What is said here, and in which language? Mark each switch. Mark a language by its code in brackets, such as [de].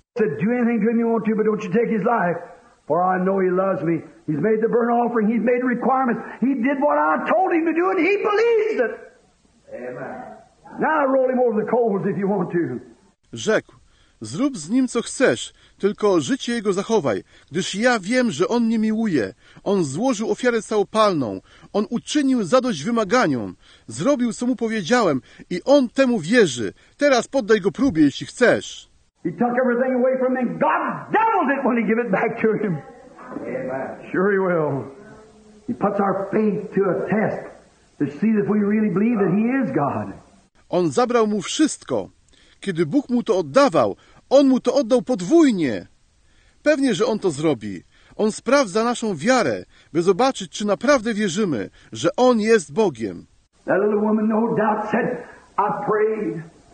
[en] Said, do anything to him you want to, but don't you take his life. For I know he loves me. He's made the burnt offering. He's made requirements. He did what I told him to do, and he believes it. Amen. Now roll him over the coals if you want to. [pl] Rzekł, zrób z nim co chcesz, tylko życie jego zachowaj, gdyż ja wiem, że on mnie miłuje. On złożył ofiarę całopalną, on uczynił zadość wymaganiom, zrobił, co mu powiedziałem, i on temu wierzy. Teraz poddaj go próbie, jeśli chcesz. [en] He took everything away from him. God doubled it when he gave it back to him. Amen. Sure he will. He puts our faith to a test to see if we really believe that he is God. [pl] On zabrał mu wszystko. Kiedy Bóg mu to oddawał, on mu to oddał podwójnie. Pewnie, że on to zrobi. On sprawdza naszą wiarę, by zobaczyć, czy naprawdę wierzymy, że on jest Bogiem. [en] That little woman no doubt said, I prayed.